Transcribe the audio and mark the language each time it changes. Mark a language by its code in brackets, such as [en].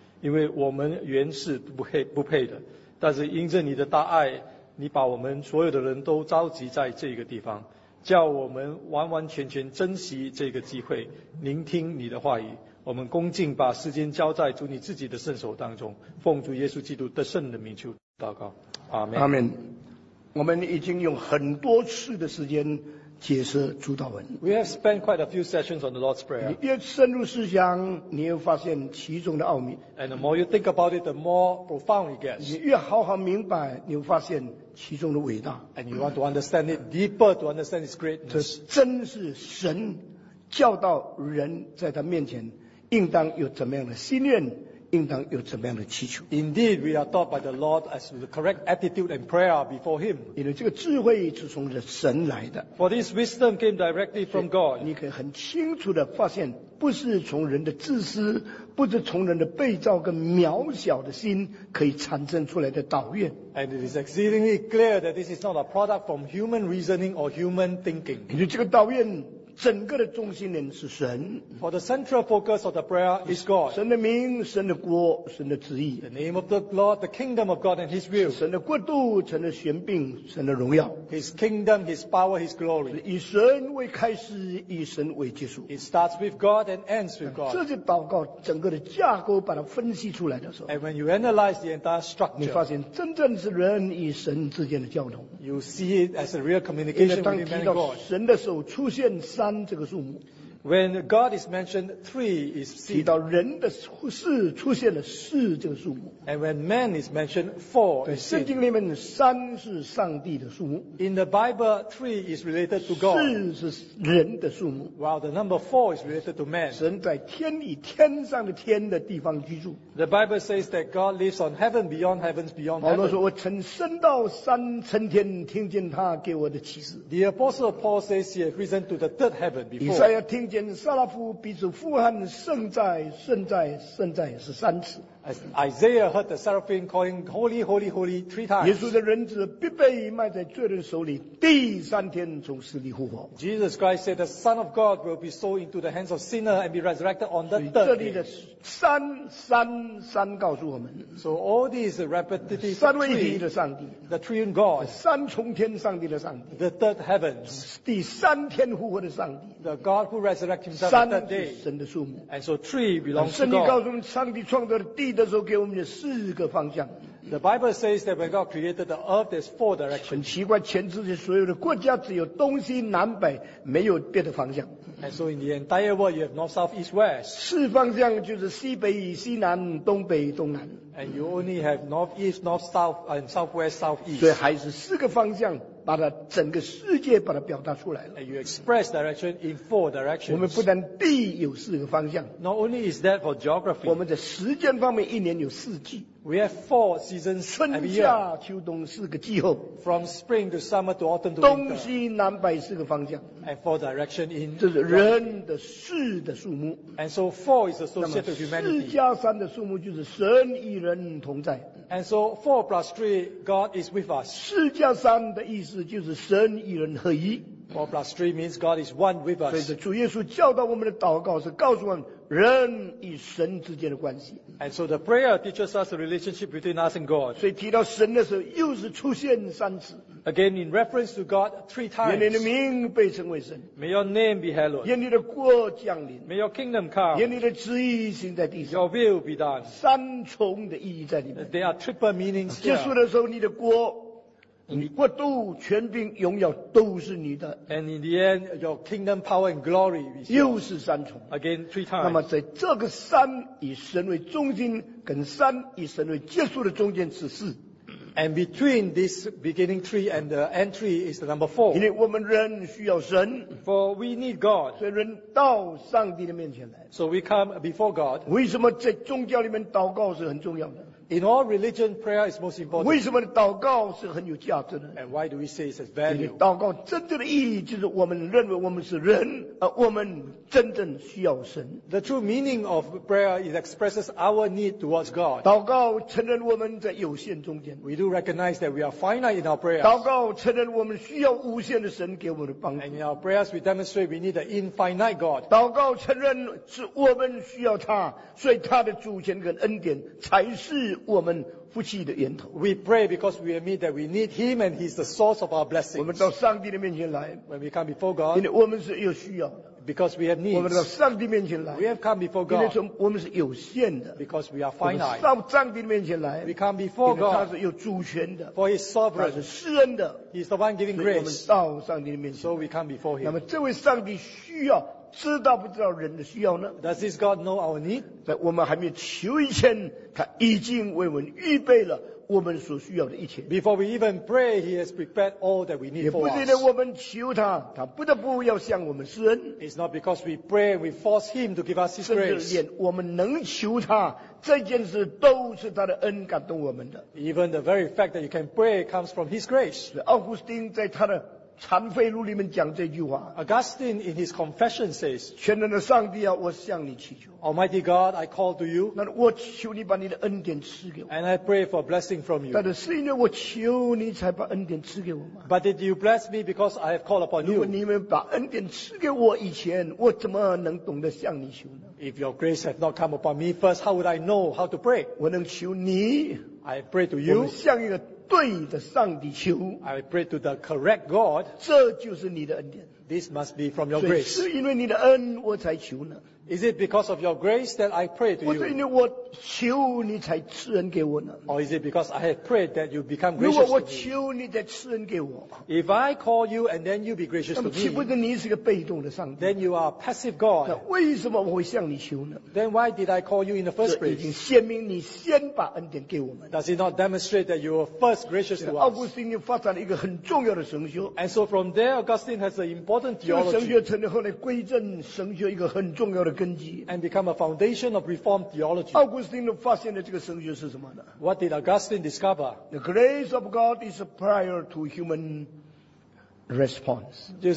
[zh] 因为我们原是不配的，但是因着你的大爱，你把我们所有的人都召集在这个地方，叫我们完完全全珍惜这个机会聆听你的话语。我们恭敬把时间交在主你自己的圣手当中，奉主耶稣基督得胜的名求祷告。阿们。我们已经用很多次的时间解释主祷文。 [en] We have spent quite a few sessions on the Lord's Prayer. [zh] 你越深入思想，你会发现其中的奥秘。 [en] And the more you think about it, the more profound it gets. [zh] 你越好好明白，你会发现其中的伟大。 [en] And you want to understand it deeper to understand its greatness. [zh] 这真是神教导人在他面前应当有怎么样的心愿，应当有怎么样的祈求。 [en] Indeed, we are taught by the Lord as the correct attitude and prayer before Him. [zh] 因为这个智慧是从神来的。 [en] For this wisdom came directly from God. [zh] 你可以很清楚地发现，不是从人的自私，不是从人的被造跟渺小的心可以产生出来的祷愿。 [en] And it is exceedingly clear that this is not a product from human reasoning or human thinking. [zh] 因为这个祷愿整个的中心点是神。 [en] For the central focus of the prayer is God. [zh] 神的名、神的国、神的旨意。 [en] The name of the Lord, the kingdom of God and His will. [zh] 神的国度、神的权柄、神的荣耀。 [en] His kingdom, His power, His glory. [zh] 以神为开始，以神为结束。 [en] It starts with God and ends with God. [zh] 这些祷告整个的架构把它分析出来的时候。 [en] And when you analyze the entire structure. [zh] 你发现真正是人与神之间的交通。 [en] You see it as a real communication with man and God. [zh] 因为当提到神的手出现三这个数目。 [en] When God is mentioned, three is seen. [zh] 提到人的四出现了四这个数目。 [en] And when man is mentioned, four is seen. [zh] 圣经里面三是上帝的数目。 [en] In the Bible, three is related to God. [zh] 四是人的数目。 [en] While the number four is related to man. [zh] 神在天以天上的天的地方居住。 [en] The Bible says that God lives on heaven beyond heavens beyond heaven. [zh] 保罗说：“我曾升到三层天，听见他给我的启示。” [en] The Apostle Paul says he has risen to the third heaven before. [zh] 以赛亚听见撒拉夫彼此呼喊：“圣哉，圣哉，圣哉”是三次。 [en] Isaiah heard the seraphim calling holy, holy, holy three times. [zh] 耶稣的人子必被卖在罪人手里，第三天从死里复活。 [en] Jesus Christ said the Son of God will be sold into the hands of sinners and be resurrected on the third day. [zh] 这里的三三三告诉我们。 [en] So all these repetitive [zh] 三位一体的上帝 [en] ，the three in God， [zh] 三重天上帝的上帝 [en] ，the third heaven， [zh] 第三天复活的上帝 [en] ，the God who resurrected himself on the third day。 [zh] 三是神的数目。 [en] And so three belongs to God。 [zh] 圣经告诉我们，上帝创造的地的时候给我们的四个方向。 [en] The Bible says that when God created the earth, there's four directions. [zh] 很奇怪，全世界所有的国家只有东西南北，没有别的方向。 [en] And so in the entire world, you have north, south, east, west. [zh] 四方向就是西北、西南、东北、东南。 [en] And you only have north, east, north, south, and southwest, southeast. [zh] 所以还是四个方向把它整个世界把它表达出来了。 [en] And you express direction in four directions. [zh] 我们不但地有四个方向。 [en] Not only is that for geography. [zh] 我们的时间方面，一年有四季。 [en] We have four seasons. [zh] 春夏秋冬四个季候。 [en] From spring to summer to autumn to winter. [zh] 东西南北四个方向。 [en] And four direction in. [zh] 这是人的四的数目。 [en] And so four is associated with humanity. [zh] 四加三的数目就是神与人同在。 [en] And so four plus three, God is with us. [zh] 四加三的意思就是神与人合一。 [en] Four plus three means God is one with us. [zh] 所以主耶稣教导我们的祷告是告诉我们人与神之间的关系。 [en] And so the prayer teaches us the relationship between us and God. [zh] 所以提到神的时候又是出现三次。 [en] Again, in reference to God three times. [zh] 愿你的名被称为神, [en] May your name be hallowed. [zh] 愿你的国降临, [en] May your kingdom come. [zh] 愿你的旨意行在地上, [en] Your will be done. [zh] 三重的意义在里面, [en] There are triple meanings here. [zh] 结束的时候, 你的国, 你国度, 权柄, 荣耀都是你的, [en] And in the end, your kingdom, power, and glory be seen. [zh] 又是三重, [en] Again, three times. [zh] 那么在这个三以神为中心, 跟三以神为结束的中间此事, [en] And between this beginning tree and the entry is the number four. [zh] 因为我们人需要神, [en] For we need God. [zh] 所以人到上帝的面前来, [en] So we come before God. [zh] 为什么在宗教里面祷告是很重要的? [en] In all religion, prayer is most important. [zh] 为什么祷告是很有价值的? [en] And why do we say it's value? [zh] 祷告真正的意义就是我们认为我们是人, 我们真正需要神。 [en] The true meaning of prayer is expresses our need towards God. [zh] 祷告承认我们在有限中间。 [en] We do recognize that we are finite in our prayers. [zh] 祷告承认我们需要无限的神给我们的帮助。 [en] And in our prayers, we demonstrate we need an infinite God. [zh] 祷告承认是我们需要他, 所以他的主权跟恩典才是 我们夫妻的源头。 [en] We pray because we admit that we need Him and He's the source of our blessings. [zh] 我们到上帝的面前来, [en] when we come before God, [zh] 因为我们是有需要的, [en] because we have needs. [zh] 我们到上帝面前来, [en] we have come before God, [zh] 因为我们是有限的, [en] because we are finite. [zh] 我们到上帝面前来, [en] we come before God, [zh] 因为他是有主权的, [en] for He's sovereign, [zh] 他是施恩的, [en] He's the one giving grace. [zh] 我们到上帝面前来, [en] so we come before Him. [zh] 那么这位上帝需要, 知道不知道人的需要呢? [en] Does this God know our need? [zh] 在我们还没求以前, 他已经为我们预备了我们所需要的一切。 [en] Before we even pray, He has prepared all that we need for us. [zh] 也不是因为我们求他, 他不得不要向我们施恩。 [en] It's not because we pray, we force Him to give us His grace. [zh] 甚至连我们能求他, 这件事都是他的恩感动我们的。 [en] Even the very fact that you can pray comes from His grace. [zh] 奥古斯丁在他的 禅悔录里面讲这句话, [en] Augustine in his confession says, [zh] 全能的上帝啊, 我向你祈求, [en] Almighty God, I call to you, [zh] 那我求你把你的恩典赐给我, [en] and I pray for a blessing from you. [zh] 但是是因为我求你才把恩典赐给我吗? [en] But did you bless me because I have called upon you? [zh] 如果你们把恩典赐给我以前, 我怎么能懂得向你求呢? [en] If your grace had not come upon me first, how would I know how to pray? [zh] 我能求你, [en] I pray to you, [zh] 我向一个 对的上帝求, [en] I pray to the correct God. [zh] 这就是你的恩典。 [en] This must be from your grace. [zh] 是因为你的恩我才求呢? [en] Is it because of your grace that I pray to you? [zh] 我是因为我求你才赐恩给我呢? [en] Or is it because I have prayed that you become gracious to me? [zh] 如果我求你再赐恩给我, [en] If I call you and then you be gracious to me, [zh] 岂不是你是个被动的上帝? [en] Then you are a passive God. [zh] 那为什么我会向你求呢? [en] Then why did I call you in the first place? [zh] 已经显明你先把恩典给我们。 [en] Does it not demonstrate that you were first gracious to us? [zh] 奥古斯丁发展了一个很重要的神学。 [en] And so from there, Augustine has an important theology. [zh] 这个神学成立后来归正神学一个很重要的 [en] And become a foundation of Reformed theology. [zh] 奥古斯丁发现的这个神学是什么呢? [en] What did Augustine discover? The grace of God is prior to human response.